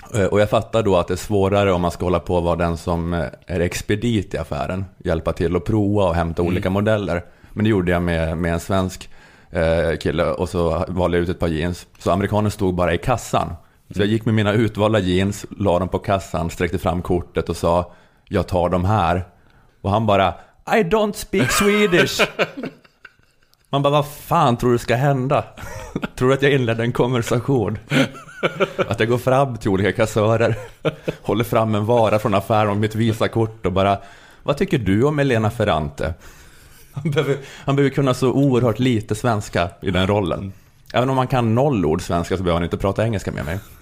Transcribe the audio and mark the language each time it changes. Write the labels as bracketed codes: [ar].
[sv] Och jag fattar då att det är svårare om man ska hålla på att vara den som är expedit i affären. Hjälpa till att prova och hämta olika modeller. Men det gjorde jag med en svensk kille, och så valde jag ut ett par jeans. Så amerikanen stod bara i kassan. Så jag gick med mina utvalda jeans, la dem på kassan, sträckte fram kortet och sa, jag tar dem här. Och han bara, [en] I don't speak Swedish. [sv] Man bara, vad fan tror du ska hända? Tror du att jag inledde en konversation? Att jag går fram till olika kassörer, håller fram en vara från affären och mitt visakort och bara, vad tycker du om Elena Ferrante? Han behöver kunna så oerhört lite svenska i den rollen. Även om man kan noll ord svenska, så behöver han inte prata engelska med mig.